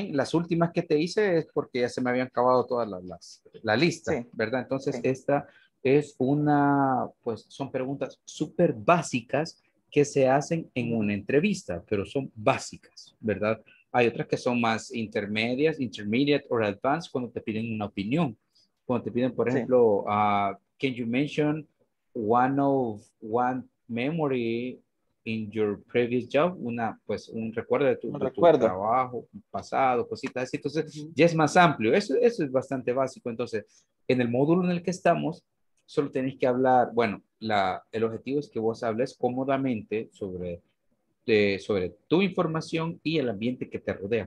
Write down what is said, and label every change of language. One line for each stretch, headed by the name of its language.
Spanish: Las últimas que te hice es porque ya se me habían acabado todas la lista, sí. ¿Verdad? Entonces, sí. Esta es una, pues, son preguntas súper básicas que se hacen en una entrevista, pero son básicas, ¿verdad? Hay otras que son más intermedias,
English: intermediate or advanced,
Spanish: cuando te piden una opinión. Cuando te piden, por ejemplo, sí.
English: Can you mention one memory in your previous job?
Spanish: Un recuerdo de tu trabajo, pasado, cositas así. Entonces, ya es más amplio. Eso es bastante básico. Entonces, en el módulo en el que estamos, solo tenés que hablar, bueno, el objetivo es que vos hables cómodamente sobre tu información y el ambiente que te rodea.